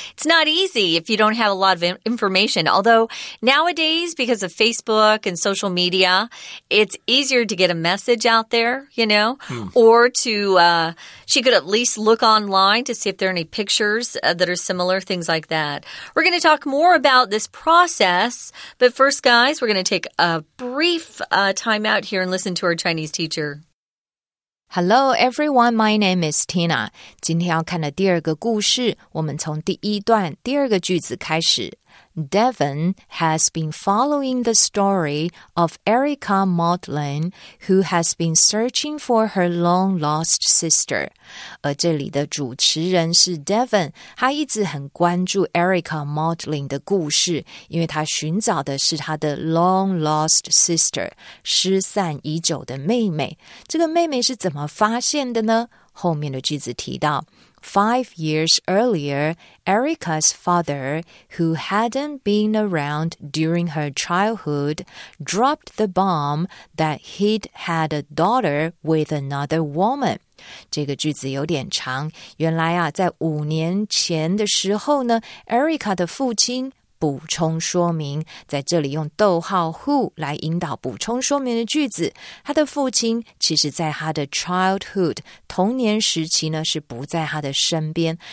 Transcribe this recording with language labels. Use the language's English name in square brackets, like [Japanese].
[English] It's not easy if you don't have a lot of information. Although nowadays, because of Facebook and social media, it's easier to get a message out there, you know, or to she could at least look online to see if there are any pictures that are similar, things like that. We're going to talk more about this process. But first, guys, we're going to take a brief time out here and listen to our Chinese teacher. Hello, everyone. My name is Tina. [Chinese] 今天要看的第二个故事，我们从第一段第二个句子开始。 [English] Devon has been following the story of Erica Maudlin, who has been searching for her long-lost sister. [Chinese] 而这里的主持人是 Devon, 他一直很关注 Erica Maudlin 的故事，因为他寻找的是他的 long-lost sister, 失散已久的妹妹。这个妹妹是怎么发现的呢？后面的句子提到 [English] 5 years earlier, Erica's father, who hadn't been around during her childhood, dropped the bomb that he'd had a daughter with another woman. [Chinese] 这个句子有点长。原来啊，在五年前的时候呢， Erica 的父亲补充说明，在这里用逗号 who 来引导补充说明的句子。他的父亲其实在他的 childhood 童年时期呢是不在他的身边。